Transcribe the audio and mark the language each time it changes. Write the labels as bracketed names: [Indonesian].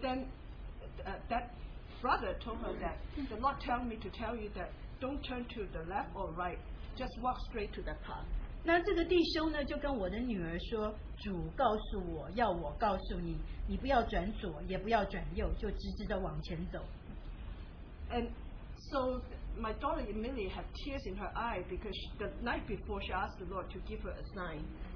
[English] then that brother told her that the Lord tell me to tell you that don't turn to the left or right. Just walk straight to the path. [Chinese] 那这个弟兄呢，就跟我的女儿说，主告诉我要我告诉你，你不要转左，也不要转右，就直直的往前走。 [English] And so my daughter immediately had tears in her eye because the night before she asked the Lord to give her a sign.